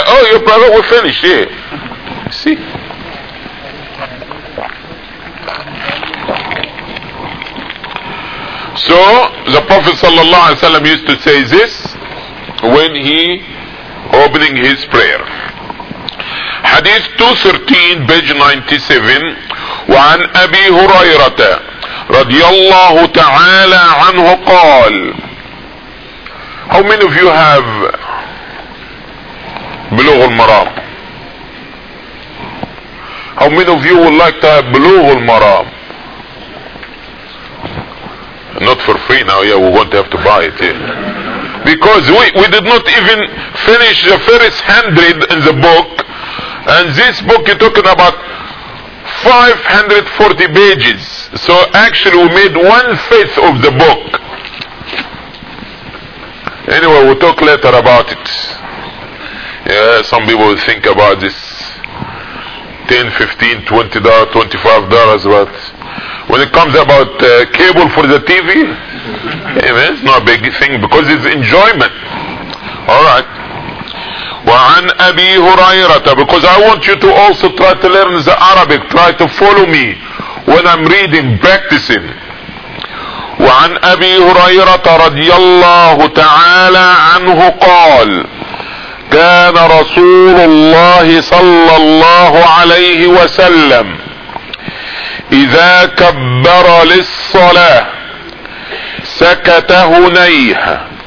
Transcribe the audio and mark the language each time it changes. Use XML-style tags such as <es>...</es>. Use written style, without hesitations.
<en>Oh, you pray, we're finished, yeah. See? So the Prophet sallallahu alaihi wasallam used to say this when he opening his prayer.</en> <ar>حديث 213 بيج 97 وعن ابي هريرة رضي الله تعالى عنه قال.</ar> <en>How many of you have بلوغ المرام? How many of you would like to have بلوغ المرام? Not for free now, yeah, we won't have to buy it. Yeah. Because we did not even finish the first 100 in the book, and this book you're talking about 540 pages. So actually we made 1/5 of the book. Anyway, we'll talk later about it. Yeah, some people will think about this $10, $15, $20, $25, but when it comes about cable for the TV, amen, it's not a big thing because it's enjoyment. Alright.</en> <ar>وعن أبي هريرة,</ar> <en>because I want you to also try to learn the Arabic, try to follow me when I'm reading, practicing.</en> <ar>وعن أبي هريرة رضي الله تعالى عنه قال كان رسول الله صلى الله عليه وسلم إذا كبر للصلاة سكت هنيه</ar>